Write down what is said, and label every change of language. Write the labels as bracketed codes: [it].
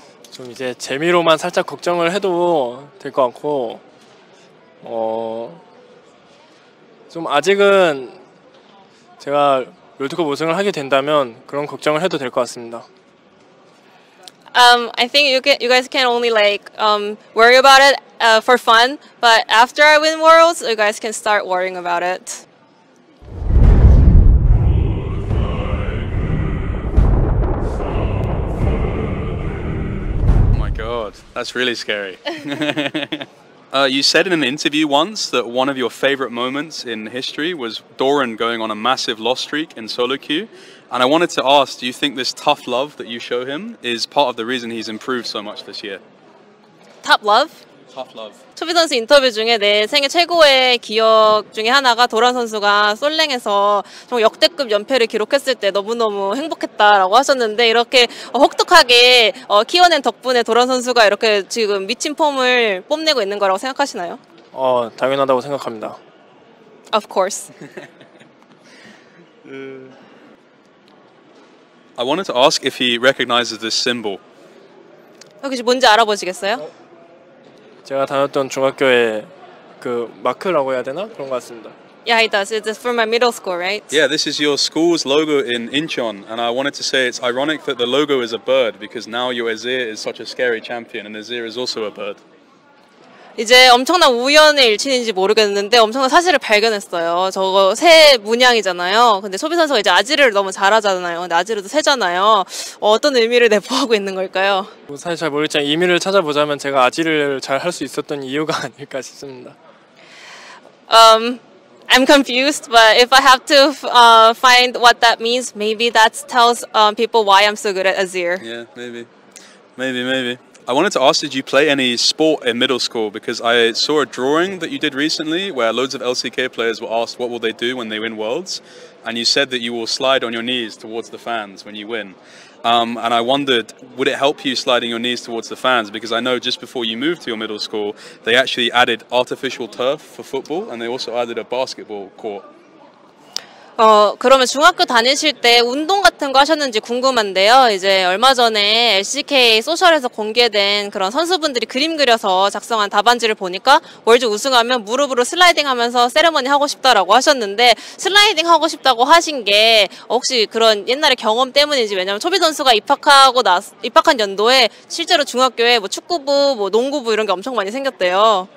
[ko] 좀 이제 재미로만 살짝 걱정을 해도 될 것 같고 좀 아직은 제가 롤드컵 우승을 하게 된다면 그런 걱정을 해도 될 것 같습니다. [en] I think you guys can only like worry about it for fun, but after I win Worlds, you guys can start worrying about it. God, that's really scary. you said in an interview once that one of your favorite moments in history was Doran going on a massive loss streak in solo queue. And I wanted to ask, do you think this tough love that you show him is part of the reason he's improved so much this year? Tough love? Tough love. [ko] 초비 선수 인터뷰 중에 내 생애 최고의 기억 중에 하나가 도란 선수가 솔랭에서 정말 역대급 연패를 기록했을 때 너무너무 행복했다라고 하셨는데 이렇게 혹독하게 키워낸 덕분에 도란 선수가 이렇게 지금 미친 폼을 뽐내고 있는 거라고 생각하시나요? 당연하다고 생각합니다. [en] Of course. I wanted to ask if he recognizes this symbol. [ko] 혹시 뭔지 알아보시겠어요? 제가 다녔던 중학교에 그 마크라고 해야 되나? 그런 것 같습니다. [en] Yeah, he does. It's for my middle school, right? Yeah, this is your school's logo in Incheon. And I wanted to say it's ironic that the logo is a bird because now your Azir is such a scary champion and Azir is also a bird. [ko] 이제 엄청난 우연의 일치인지 모르겠는데 엄청난 사실을 발견했어요. 저거 새 문양이잖아요. 근데 초비 선수가 이제 아지르를 너무 잘하잖아요. 근데 아지르도 새잖아요. 어떤 의미를 내포하고 있는 걸까요? 뭐 사실 잘 모르겠지만 의미를 찾아보자면 제가 아지르를 잘 할 수 있었던 이유가 아닐까 싶습니다. [en] I'm confused, but if I have to find what that means, maybe that tells people why I'm so good at Azir. Yeah, maybe. Maybe. I wanted to ask, did you play any sport in middle school? Because I saw a drawing that you did recently where loads of LCK players were asked what will they do when they win Worlds, and you said that you will slide on your knees towards the fans when you win. And I wondered, would it help you sliding your knees towards the fans? Because I know just before you moved to your middle school, they actually added artificial turf for football, and they also added a basketball court. [ko] 그러면 중학교 다니실 때 운동 같은 거 하셨는지 궁금한데요. 이제 얼마 전에 LCK 소셜에서 공개된 그런 선수분들이 그림 그려서 작성한 답안지를 보니까 월드 우승하면 무릎으로 슬라이딩 하면서 세레머니 하고 싶다라고 하셨는데 슬라이딩 하고 싶다고 하신 게 혹시 그런 옛날의 경험 때문인지 왜냐면 초비 선수가 입학한 연도에 실제로 중학교에 뭐 축구부, 뭐 농구부 이런 게 엄청 많이 생겼대요.